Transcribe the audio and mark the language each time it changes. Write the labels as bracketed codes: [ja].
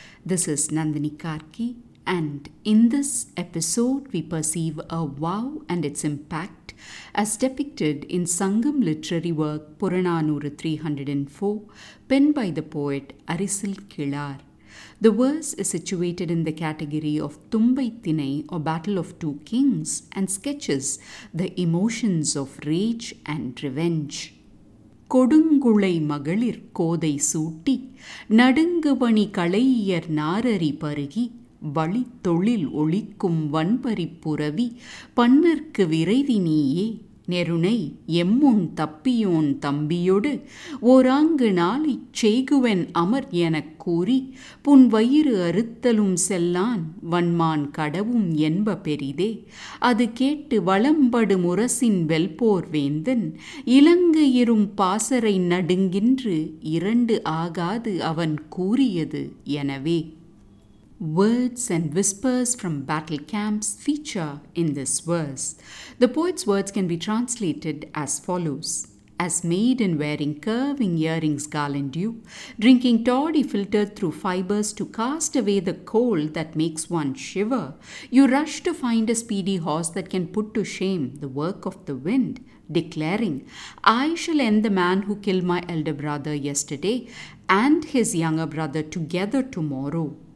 [en] This is Nandini Karki, and in this episode we perceive a vow and its impact as depicted in Sangam literary work Puranaanooru 304, penned by the poet Arisil Kizhaar. The verse is situated in the category of Thumbai Thinai, or Battle of Two Kings, and sketches the emotions of rage and revenge. [ta] கொடுங்குளை மகளிர் கோதை சூட்டி நடுங்குபணி களையர் நாரறி பருகி வழி தொழில் ஒழிக்கும் வன்பறி புறவி பன்னர்க்கு விரைவி நீயே நெருணை எம்முன் தப்பியோன் தம்பியொடு ஓராங்கு நாளை செய்குவன் அமர் எனக் கூறி புன் வயிறு அறுத்தலும் செல்லான் வன்மான் கடவும் என்ப பெரிதே அது கேட்டு வளம்படு முரசின் வெல்போர் வேந்தன் இலங்கையிறும் பாசரை நடுங்கின்று இரண்டு ஆகாது அவன் கூறியது எனவே. [en] Words and whispers from battle camps feature in this verse. The poet's words can be translated as follows. As maiden wearing curving earrings garland you, drinking toddy filtered through fibers to cast away the cold that makes one shiver, you rush to find a speedy horse that can put to shame the work of the wind, declaring, I shall end the man who killed my elder brother yesterday and his younger brother together tomorrow.